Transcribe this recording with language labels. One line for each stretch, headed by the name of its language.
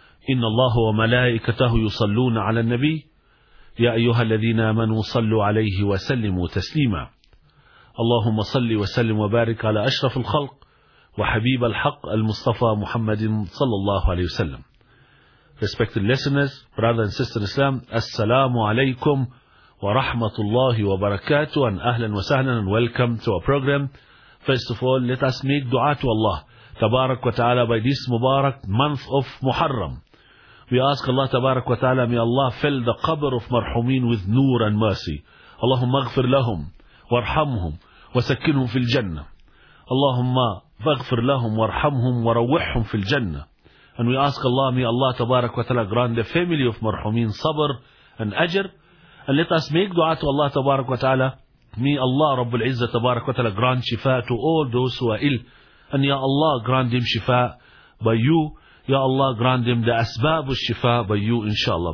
Arabic: إن الله وملائكته يصلون على النبي، يا أيها الذين آمنوا صلوا عليه وسلموا تسليما. اللهم صل وسلم وبارك على أشرف الخلق وحبيب الحق المصطفى محمد صلى الله عليه وسلم.
English: Respected listeners, brothers and sisters Islam,
Arabic: السلام عليكم ورحمة الله وبركاته.
English: And
Arabic: أهلا وسهلا
English: and welcome to our program. First of all, let us make dua to Allah
Arabic: تبارك وتعالى
English: by this Mubarak month of Muharram. We ask Allah
Arabic: تبارك وتعالى,
English: may Allah fill the qabr of marhumin with nur and mercy.
Arabic: اللهم اغفر لهم وارحمهم وسكنهم في الجنة. اللهم اغفر لهم وارحمهم وروحهم في الجنة.
English: And we ask Allah, may Allah
Arabic: تبارك وتعالى
English: grant the family of marhumin sabr and ajr. And let us make dua to Allah
Arabic: تبارك وتعالى.
English: May Allah
Arabic: رب العزة تبارك وتعالى
English: grant shifa to all those who are ill. And ya Allah grant them shifa by you. Ya Allah grant them the asbab of shifa by you inshallah.